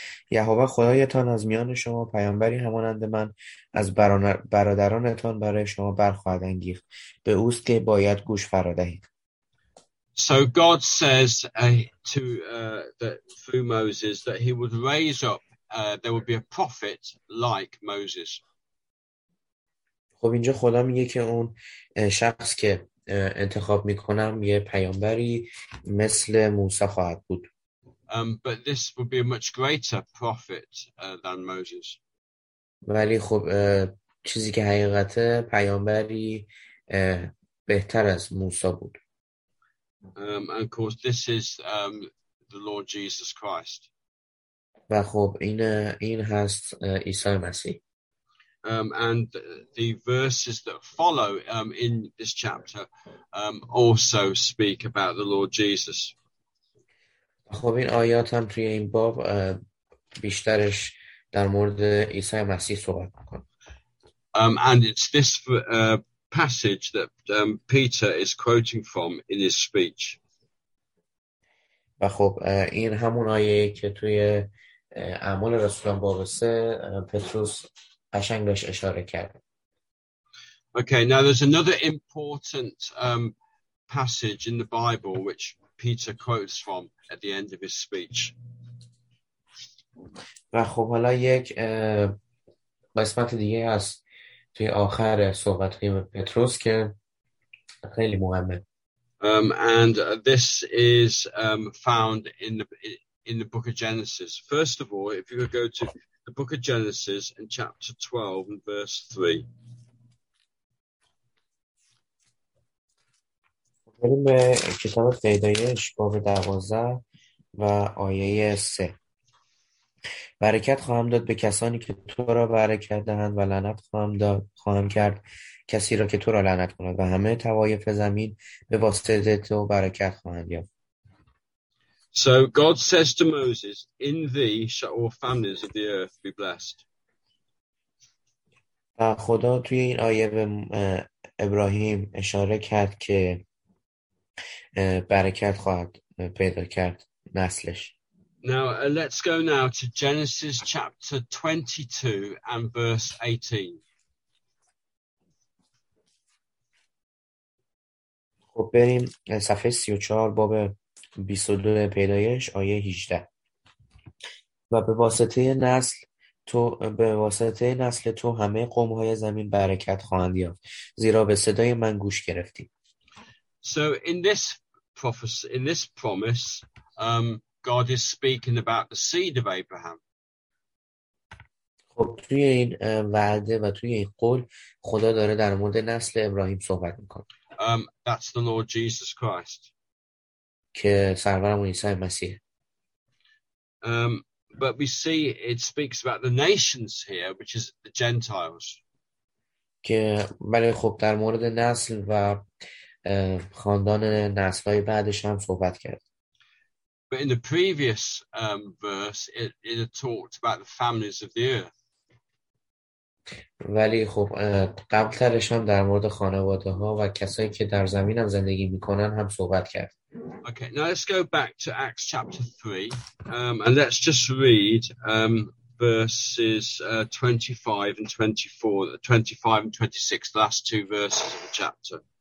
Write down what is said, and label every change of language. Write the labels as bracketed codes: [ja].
[fa] یهوه خدایتان از میان شما پیامبری همانند من از برادرانتان برای شما برخواهد انگیخت. به اوست که باید گوش فرا دهید. [en] So God says to through Moses that he would raise up there would be a prophet like Moses. [fa] خب اینجا خدا میگه که اون شخص که انتخاب میکنم یه پیامبری مثل موسی خواهد بود. [en] But this would be a much greater prophet than Moses. [fa] ولی خب چیزی که حقیقت پیامبری بهتر از موسی بود. [en] And of course this is the Lord Jesus Christ. [fa] و خب این هست عیسی مسیح. [en] And the verses that follow in this chapter also speak about the Lord Jesus. [fa] خب این آیات هم توی این باب بیشترش در مورد عیسی مسیح صحبت میکنه. [en] And it's this passage that Peter is quoting from in his speech. [fa] و خب این همون آیه که توی اعمال رسولان باب 3 پتروس قشنگش اشاره کرد. [en] Okay, now there's another important passage in the Bible which Peter quotes from at the end of his speech. [fa] و خب حالا یک قسمت دیگه هست توی آخر صحبت‌های پتروس که خیلی مهمه. [en] And this is found in the book of Genesis. First of all, if you could go to the book of Genesis in chapter 12 and verse 3. [fa] بریم به کتاب پیدایش باب 12 و آیه 3. برکت خواهم داد به کسانی که تو را برکت دهند و لعنت خواهم کرد کسی را که تو را لعنت کند و همه طوایف زمین به واسطه تو برکت خواهند یافت. [en] So God says to Moses, in thee shall all families of the earth be blessed. [fa] و خدا توی این آیه به ابراهیم اشاره کرد که برکت خواهد پیدا کرد نسلش. [en] Now let's go now to Genesis chapter 22 and verse 18. [fa] خب بریم صفحه 34 باب 22 پیدایش آیه 18. و به واسطه نسل تو به واسطه نسل تو همه قوم‌های زمین برکت خواهند یافت زیرا به صدای من گوش گرفتی. [en] So in this prophecy, in this promise, God is speaking about the seed of Abraham. [fa] خب توی این وعده و توی این قول خدا داره در مورد نسل ابراهیم صحبت میکنه. [en] That's the Lord Jesus Christ. [fa] که سرورمون عیسی مسیح. [en] But we see it speaks about the nations here, which is the Gentiles. [fa] که ولی خب در مورد نسل و خاندان نسل‌های بعدش هم صحبت کرد. [en] But in the previous verse, it talked about the families of the earth. [fa] ولی خب قبلترش هم در مورد خانواده ها و کسایی که در زمین هم زندگی میکنن هم صحبت کرد. [en] Okay, now let's go back to Acts chapter 3 and let's just read verses 25 and 24, 25 and 26, the last two verses of the chapter.